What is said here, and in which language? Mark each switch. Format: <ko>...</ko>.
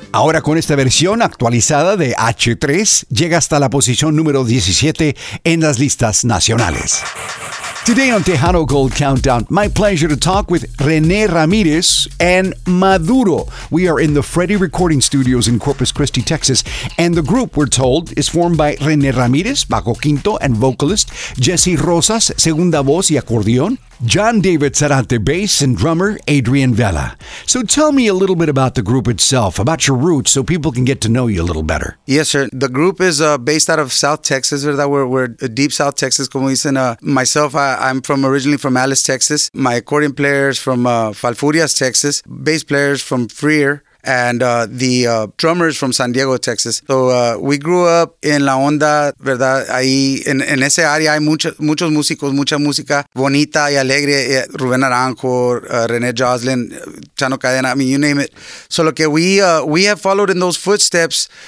<es>Ahora con esta versión actualizada de H3, llega hasta la posición número 17 en las listas nacionales.</es> <en>Today on Tejano Gold Countdown, my pleasure to talk with René Ramírez and Maduro. We are in the Freddy Recording Studios in Corpus Christi, Texas, and the group, we're told, is formed by René Ramírez, bajo quinto and vocalist, Jesse Rosas,</en> <es>segunda voz y acordeón,</es> <en>John David Zarate, bass, and drummer Adrian Vela. So tell me a little bit about the group itself, about your roots, so people can get to know you a little better. Yes, sir. The group is based out of South Texas, ¿verdad? We're deep South Texas, como dicen. Myself, I'm from originally from Alice, Texas. My accordion player is from Falfurrias, Texas. Bass player is from Freer. And the drummer is from San Diego, Texas. So we grew up in La Onda,</en> <es>¿verdad? Ahí en ese área hay muchos músicos, mucha música bonita y alegre.</es> <en>Rubén Naranjo, René Joslin, Chano Cadena, I mean, you name it. So</en> <es>lo que</es> <en>we have followed in those footsteps.</en>